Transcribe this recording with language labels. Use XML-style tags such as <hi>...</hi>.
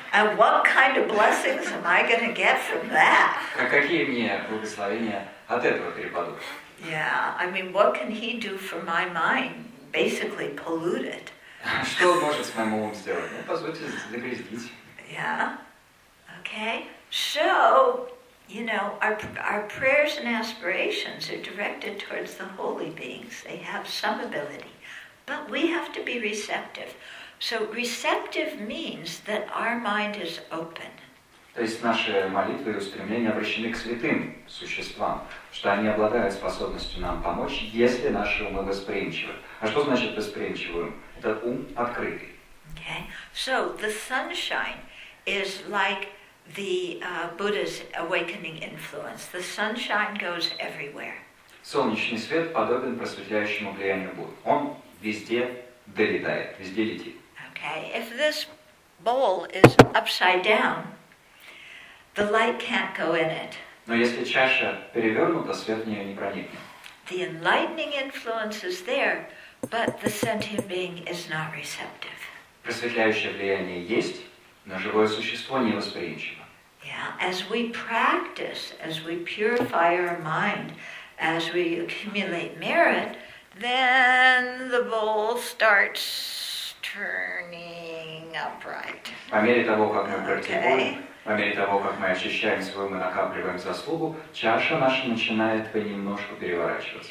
<en>And what kind of blessings am I going to get from that?</en> <ru>Какие мне благословения от этого перепадут?</ru> <en>Yeah, I mean, what can he do for my mind? Basically, pollute it.</en> <ru>Что он может с моим умом сделать? Ну, позвольте загрязнить.</ru> <en>Yeah. Okay. So, you know, our prayers and aspirations are directed towards the holy beings. They have some ability, but we have to be receptive. So receptive means that our mind is open.</en> <ru>То есть наши молитвы и устремления обращены к святым существам, что они обладают способностью нам помочь, если наши умы восприимчивы. А что значит восприимчивый ум? Это ум открытый.</ru> <en>Okay. So the sunshine is like the Buddha's awakening influence. The sunshine goes everywhere.</en> <ru>Солнечный свет подобен просветляющему влиянию Будды. Он везде долетает, везде летит.</ru> <en>Okay, if this bowl is upside down, the light can't go in it.</en> <ru>Но если чаша перевернута, свет в нее не проникнет.</ru> <en>The enlightening influence is there, but the sentient being is not receptive.</en> <ru>Просветляющее влияние есть, но живое существо не восприимчиво.</ru> <en>Yeah, as we practice, as we purify our mind, as we accumulate merit, then the bowl starts turning upright.</en> <ru>По мере того, как мы практикуем, по мере того, как мы очищаем свой ум и накапливаем заслугу, чаша наша начинает понемножку переворачиваться.</ru>